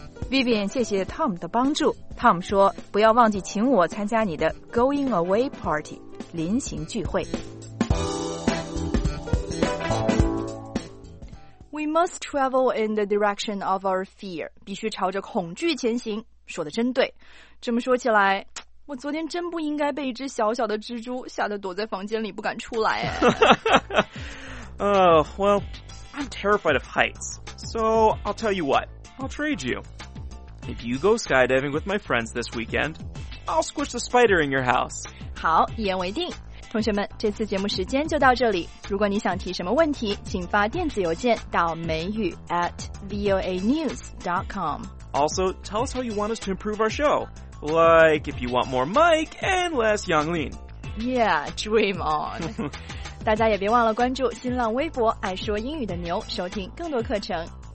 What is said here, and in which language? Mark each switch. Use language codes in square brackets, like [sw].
[zh] Vivian, 谢谢 Tom 的帮助。Tom 说，不要忘记请我参加你的 going away party, 临行聚会。 [en] We must travel in the direction of our fear. [zh] 必须朝着恐惧前行。说的真对，这么说起来，我昨天真不应该被一只小小的蜘蛛吓得躲在房间里不敢出来。 [en] well, I'm terrified of heights, so I'll tell you what, I'll trade you. If you go skydiving with my friends this weekend, I'll squish the spider in your house. [zh] 好，一言为定。同学们，这次节目时间就到这里。如果你想提什么问题，请发电子邮件到美语@voanews.com。 [en] Also, tell us how you want us to improve our show. Like, if you want more Mike and less Yanglin. Yeah, dream on. [zh] 大家也别忘了关注新浪微博爱说英语的牛，收听更多课程。